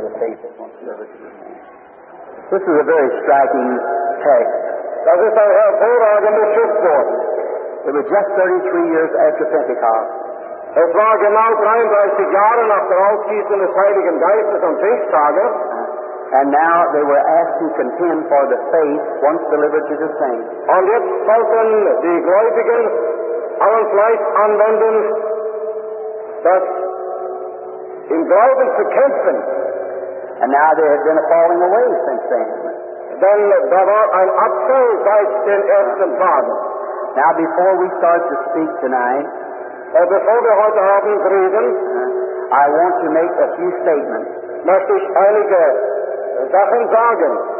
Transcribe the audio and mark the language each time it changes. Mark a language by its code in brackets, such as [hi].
[en] This is a very striking text. [de] Das ist ein hervorragendes Schriftwort. [en] It was just 33 years after Pentecost. [de] Es war genau 33 Jahre nach der Auffassung des Heiligen Geistes am Pfingsttage. [en] And now they were asked to contend for the faith once delivered to the saints. [de] Und jetzt sollten die Gläubigen allen Fleiß anwenden, dass im Glauben zu kämpfen. [en] And now they had been falling away since then. [de] Denn da war ein Abfall seit den ersten Tagen. [en] Now, before we start to speak tonight, before [de] wir heute Abend reden, [en] I want to make a few statements. [de] Möchte ich einige Sachen sagen.